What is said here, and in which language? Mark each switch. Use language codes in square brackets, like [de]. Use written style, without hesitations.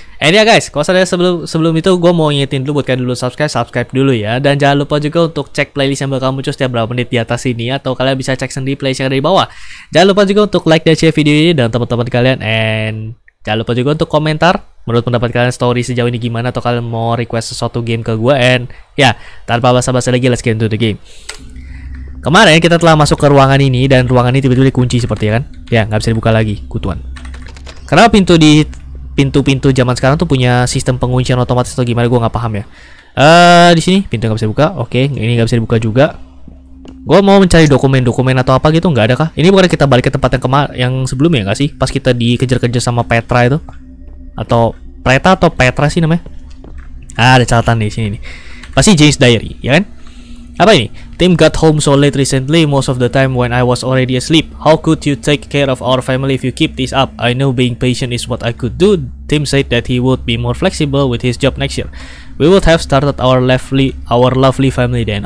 [en] And yeah guys, [id] kalau saya sebelum itu gue mau ngingetin dulu buat kalian dulu subscribe dulu ya. Dan jangan lupa juga untuk cek playlist yang bakal muncul setiap berapa menit di atas ini. Atau kalian bisa cek sendiri playlist yang ada di bawah. Jangan lupa juga untuk like dan share video ini dengan teman-teman kalian. And jangan lupa juga untuk komentar menurut pendapat kalian story sejauh ini gimana, atau kalian mau request sesuatu game ke gue. [en] And ya, [id] tanpa basa-basi lagi, [en] let's get into the game. [id] Kemarin kita telah masuk ke ruangan ini, dan ruangan ini tiba-tiba dikunci seperti ya kan. Ya, gak bisa dibuka lagi, kutuan. Karena pintu-pintu zaman sekarang tuh punya sistem penguncian otomatis atau gimana, gue gak paham ya. Di sini pintu gak bisa dibuka, oke, ini gak bisa dibuka juga. Gue mau mencari dokumen-dokumen atau apa gitu, gak ada kah? Ini bukan kita balik ke tempat yang sebelumnya gak sih? Pas kita dikejar-kejar sama Petra itu. Atau Preta atau Petra sih namanya. Ada catatan di sini nih. Pasti James Diary, ya kan? Apa ini? [en] Tim got home so late recently, most of the time when I was already asleep. How could you take care of our family if you keep this up? I know being patient is what I could do. Tim said that he would be more flexible with his job next year. We would have started our lovely family then.